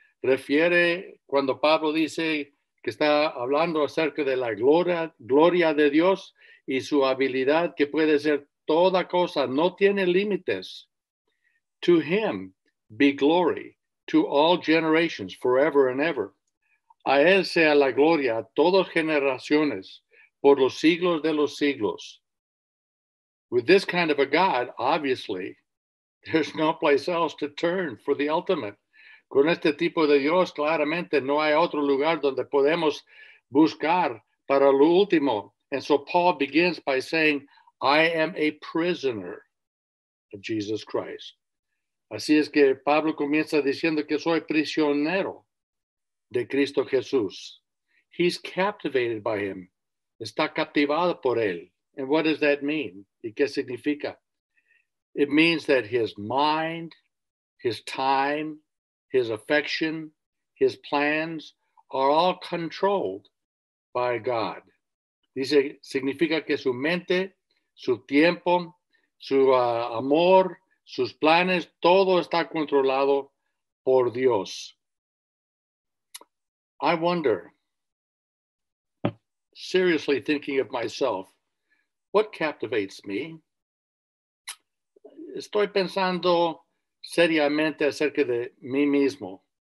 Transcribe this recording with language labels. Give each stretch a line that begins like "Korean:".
Spanish: Refiere cuando Pablo dice que está hablando acerca de la gloria de Dios y su habilidad que puede ser toda cosa. No tiene límites.
English: To him be glory to all generations forever and ever.
Spanish: A él sea la gloria a todas generaciones por los siglos de los siglos.
English: With this kind of a God, obviously, there's no place else to turn for the ultimate.
Spanish: Con este tipo de Dios, claramente, no hay otro lugar donde podemos buscar para lo último.
English: And so Paul begins by saying, I am a prisoner of Jesus Christ.
Spanish: Así es que Pablo comienza diciendo que soy prisionero de Cristo Jesús.
English: He's captivated by him.
Spanish: Está captivado por él.
English: And what does that mean?
Spanish: ¿Y qué significa?
English: It means that his mind, his time, his affection, his plans are all controlled by God.
Spanish: Dice, significa que su mente, su tiempo, su amor, sus planes, todo está controlado por Dios.
English: I wonder, seriously thinking of myself, what captivates me?
Spanish: Estoy pensando seriamente acerca de mí mismo.